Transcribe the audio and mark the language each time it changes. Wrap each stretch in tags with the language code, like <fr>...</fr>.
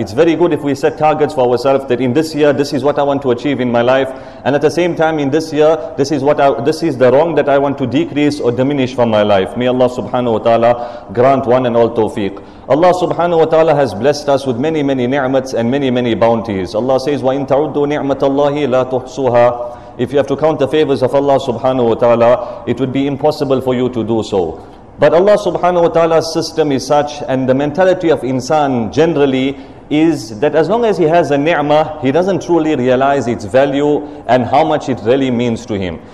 <en>It's very good if we set targets for ourselves that in this year, this is what I want to achieve in my life, and at the same time in this year, this is the wrong that I want to decrease or diminish from my life. May Allah subhanahu wa ta'ala grant one and all tawfiq. Allah subhanahu wa ta'ala has blessed us with many, many ni'mats and many, many bounties. Allah says,</en> <ar>وَإِن تَعُدُّوا نِعْمَةَ اللَّهِ لَا تُحْصُوهَا.</ar> <en>If you have to count the favors of Allah subhanahu wa ta'ala, it would be impossible for you to do so. But Allah subhanahu wa ta'ala's system is such, and the mentality of insan generally is that as long as he has a ni'mah, he doesn't truly realize its value and how much it really means to him.</en>